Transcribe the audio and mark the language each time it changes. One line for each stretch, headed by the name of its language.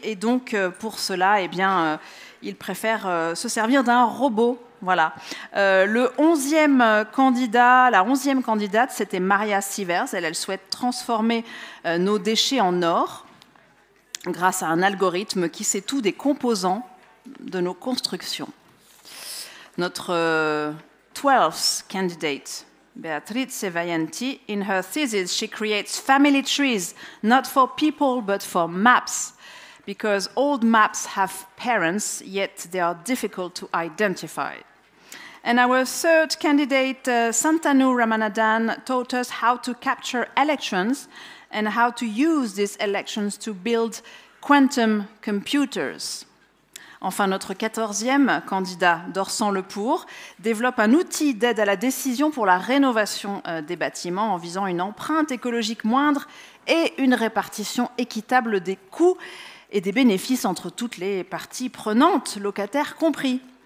French: Et donc, pour cela, eh bien, il préfère se servir d'un robot. Voilà. La 11e candidate, c'était Maria Sivers. Elle souhaite transformer nos déchets en or grâce à un algorithme qui sait tout des composants de nos constructions. Notre
English: 12th candidate, Beatrice Vajenti, in her thesis, she creates family trees, not for people, but for maps, because old maps have parents, yet they are difficult to identify. And our third candidate, Santanu Ramanadan, taught us how to capture electrons and how to use these electrons to build quantum computers.
French: Enfin, notre 14e candidat, Dorsan Lepour, développe un outil d'aide à la décision pour la rénovation des bâtiments en visant une empreinte écologique moindre et une répartition équitable des coûts et des bénéfices entre toutes les parties prenantes, locataires compris.